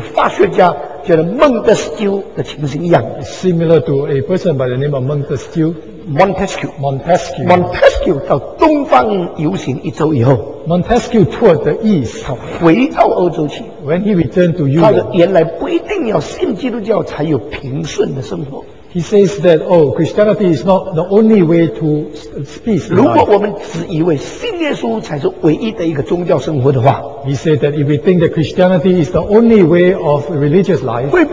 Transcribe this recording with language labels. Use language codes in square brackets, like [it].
[zh] 这个光景有一点像几百年前一个法学家叫做孟德斯鸠的情形一样。 [en] Similar to a person by the name of Montesquieu. Montesquieu. Montesquieu. [zh] Montesquieu 到东方游行一周以后， [en] Montesquieu toured the East. [zh] 他回到欧洲去。 [en] When he returned to Europe, [zh] 他原来不一定要信基督教才有平顺的生活。 [en] He says that, oh, Christianity is not the only way to peace. [zh] 如果我们只以为信耶稣才是唯一的一个宗教生活的话， [en] he said that if we think that Christianity is the only way of religious life,